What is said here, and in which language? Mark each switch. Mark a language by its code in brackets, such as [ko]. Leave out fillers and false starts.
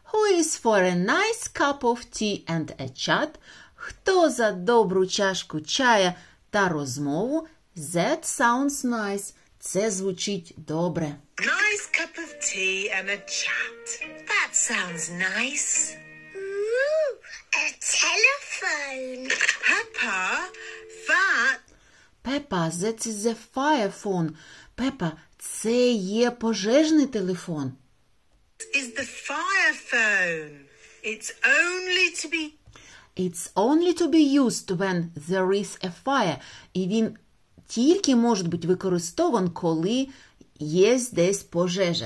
[en] Who is for a nice cup of tea and a chat? [uk] Хто за добру чашку чая та розмову? [en] That sounds nice. [uk] Це звучить добре. [en] Nice cup of tea and a chat. That sounds nice. Ooh, a telephone. Peppa, that... Пепа, this is a fire phone. [uk] Пепа, це є пожежний телефон. [en] Is the fire phone. It's only to be... It's only to be used when there is a fire. [uk] І він тільки може бути використован, коли є десь пожежа.